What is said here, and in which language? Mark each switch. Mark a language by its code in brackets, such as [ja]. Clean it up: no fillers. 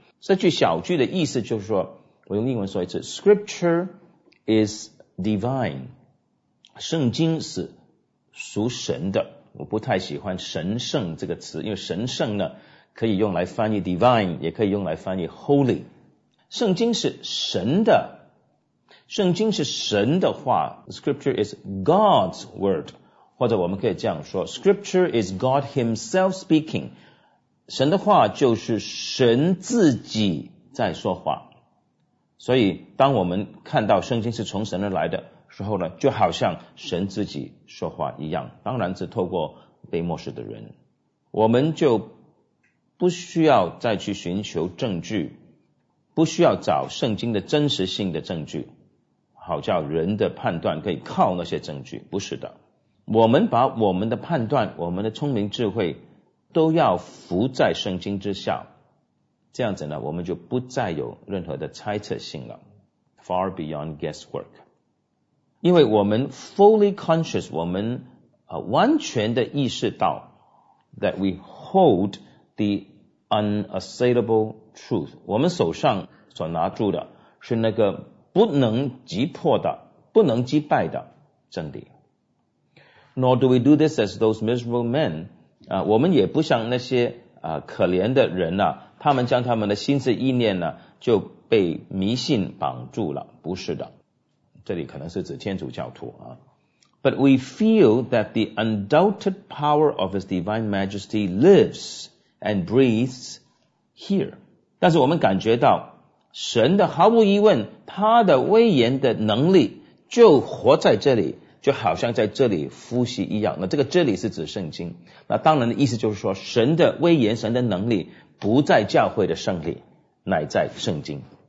[zh] 这句小句的意思就是说，我用英文说一次 ： [en] Scripture is divine， [zh] 圣经是属神的。我不太喜欢神圣这个词，因为神圣呢，可以用来翻译 divine， 也可以用来翻译 holy。圣经是神的，圣经是神的话 ， [en] Scripture is God's word。 [zh] 或者我们可以这样说 [en] ,Scripture is God himself speaking. [zh] 神的话就是神自己在说话。所以当我们看到圣经是从神而来的时候呢，就好像神自己说话一样，当然是透过被默示的人。我们就不需要再去寻求证据，不需要找圣经的真实性的证据，好叫人的判断可以靠那些证据，不是的。我们把我们的判断，我们的聪明智慧都要伏在圣经之下，这样子呢，我们就不再有任何的猜测性了， [en] far beyond guesswork。 [zh] 因为我们 [en] fully conscious， [zh] 我们完全的意识到 [en] that we hold the unassailable truth， [zh] 我们手上所拿住的是那个不能击破的，不能击败的真理。 [en] Nor do we do this as those miserable men. [zh] 我们也不像那些可怜的人啊，他们将他们的心思意念呢就被迷信绑住了，不是的。这里可能是指天主教徒啊。 [en] But we feel that the undoubted power of His divine majesty lives and breathes here. [zh] 但是我们感觉到神的毫无疑问，他的威严的能力就活在这里，就好像在这里呼吸一样。那这个这里是指圣经，那当然的意思就是说，神的威严，神的能力不在教会的圣礼，乃在圣经。